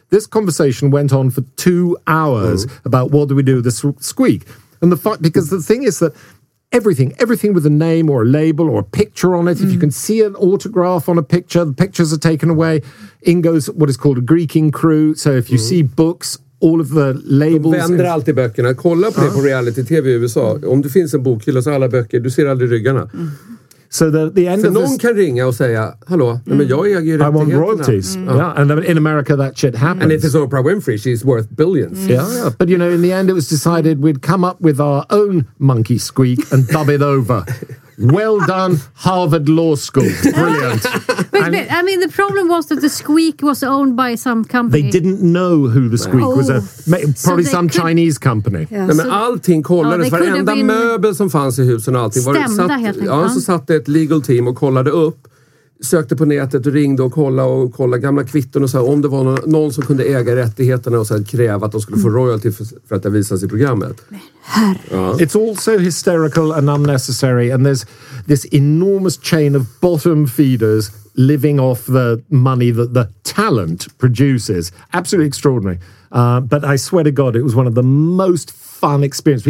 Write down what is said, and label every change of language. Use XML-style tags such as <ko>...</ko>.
<en>This conversation went on for 2 hours about what do we do with the squeak. And the fact, because the thing is that everything with a name or a label or a picture on it, if you can see an autograph on a picture, the pictures are taken away. In goes what is called a Greek ink crew. So if you see books, all of the labels...</en> <sv>De vänder alltid böckerna. Kolla på det på reality TV i USA. Om det finns en bokhylla så alla böcker, du ser aldrig ryggarna.</sv> <en>So the end</en> <sv>för</sv> <en>of</en> <sv>någon</sv> <en>this...</en> <sv>kan ringa och säga, hallå, men jag äger ju rättigheterna.</sv> <en>I want royalties. Yeah. And in America that shit happens. And if it's Oprah Winfrey, she's worth billions. Yeah. But you know, in the end it was decided we'd come up with our own monkey squeak and dub it over. Well done, Harvard Law School. Brilliant. But I mean, the problem was that the squeak was owned by some company. They didn't know who the squeak was. Probably some Chinese company.</en> <sv>Yeah. Men allting kollades. Varenda möbel som fanns i husen och allting. Så satt ett</sv> <en>legal team</en> <sv>och kollade upp. Sökte på nätet och ringde och kollade gamla kvitton och så här, om det var någon som kunde äga rättigheterna och så här, kräva att de skulle få royalty för att det visas i programmet.</sv> <en>It's also hysterical and unnecessary, and there's this enormous chain of bottom feeders living off the money that the talent produces. Absolutely extraordinary. But I swear to God, it was one of the most fun experience.</en>